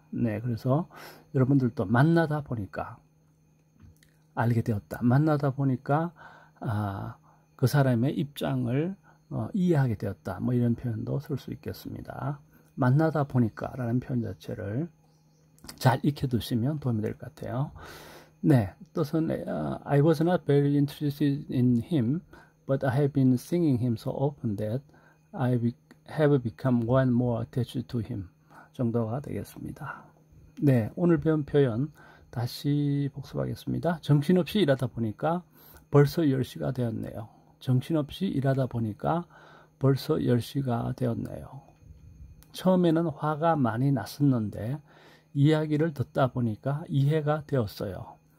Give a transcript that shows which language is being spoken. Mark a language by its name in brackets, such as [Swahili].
[Korean] 네, 그래서 여러분들도 만나다 보니까 알게 되었다. 만나다 보니까 그 사람의 입장을 이해하게 되었다. 뭐 이런 표현도 쓸수 있겠습니다. 만나다 보니까라는 표현 자체를 잘 익혀두시면 도움이 될것 같아요. 네, 뜻은 [English] I was not very interested in him, but I have been seeing him so often that have become more and more attached to him [Korean] 정도가 되겠습니다. 네, 오늘 배운 표현 다시 복습하겠습니다. 정신없이 일하다 보니까 벌써 10시가 되었네요. 정신없이 일하다 보니까 벌써 10시가 되었네요. 처음에는 화가 많이 났었는데 이야기를 듣다 보니까 이해가 되었어요.